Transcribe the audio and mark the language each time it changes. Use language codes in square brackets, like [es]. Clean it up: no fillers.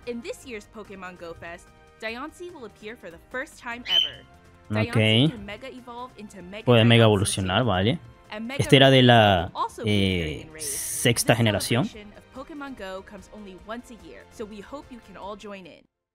[en] In this year's Pokémon Go Fest, Diancie will appear for the first time ever. [es] Okay. Puede mega evolucionar, vale. Este era de la sexta generación. [en] Pokémon Go comes only once a year, so we hope you can all join in.